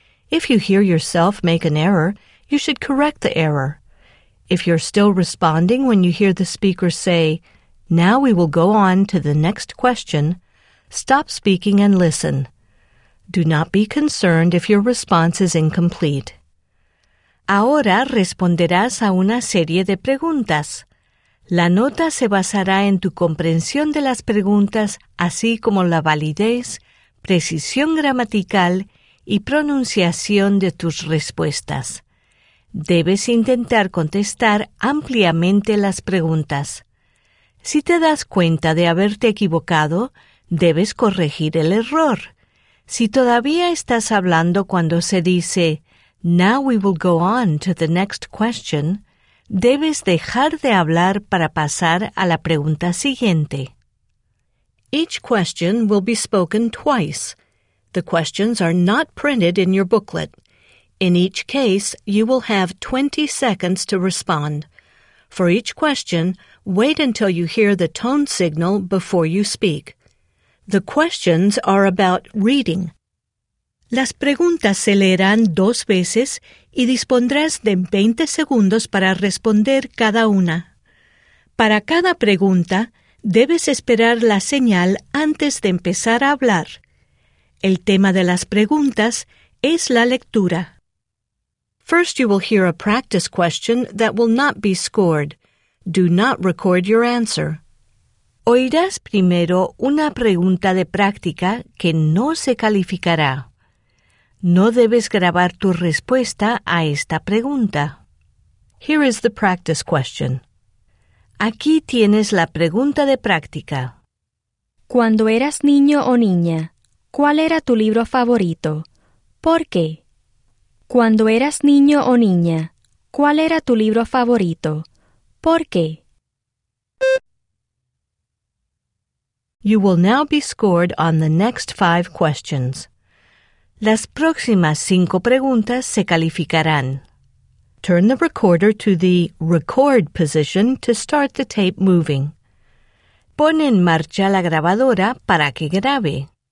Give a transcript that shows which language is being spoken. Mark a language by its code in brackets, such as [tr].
[en] If you hear yourself make an error, you should correct the error. If you're still responding when you hear the speaker say, "Now we will go on to the next question," stop speaking and listen. Do not be concerned if your response is incomplete. [es] Ahora responderás a una serie de preguntas. La nota se basará en tu comprensión de las preguntas, así como la validez, precisión gramatical y pronunciación de tus respuestas. Debes intentar contestar ampliamente las preguntas. Si te das cuenta de haberte equivocado, debes corregir el error. Si todavía estás hablando cuando se dice, [en] "Now we will go on to the next question," [es] debes dejar de hablar para pasar a la pregunta siguiente. [en] Each question will be spoken twice. The questions are not printed in your booklet. In each case, you will have 20 seconds to respond. For each question, wait until you hear the tone signal before you speak. The questions are about reading. [es] Las preguntas se leerán dos veces y dispondrás de 20 segundos para responder cada una. Para cada pregunta, debes esperar la señal antes de empezar a hablar. El tema de las preguntas es la lectura. [en] First, you will hear a practice question that will not be scored. Do not record your answer. [es] Oirás primero una pregunta de práctica que no se calificará. No debes grabar tu respuesta a esta pregunta. [en] Here is the practice question. [es] Aquí tienes la pregunta de práctica. Cuando eras niño o niña, ¿cuál era tu libro favorito? ¿Por qué? Cuando eras niño o niña, ¿cuál era tu libro favorito? ¿Por qué? [en] You will now be scored on the next 5 questions. [es] Las próximas 5 preguntas se calificarán. [en] Turn the recorder to the record position to start the tape moving. [es] Pon en marcha la grabadora para que grabe.